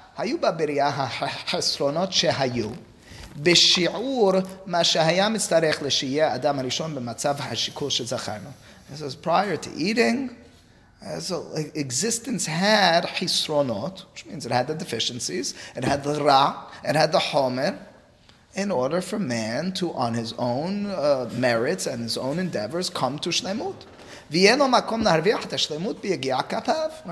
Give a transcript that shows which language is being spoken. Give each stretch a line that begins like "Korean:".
Hebrew: היו בבריאה החסרונות שהיו בשיעור מה שהיה מצטרך לשיהיה אדם הראשון במצב השיקול שזכרנו.
English: This is prior to eating. So existence had חסרונות, which means it had the deficiencies, it had the ra, it had the homer, in order for man to, on his own merits and his own endeavors, come to שלמות.
Hebrew: ויהיה לו מקום להרוויח את השלמות ביגיע כפיו.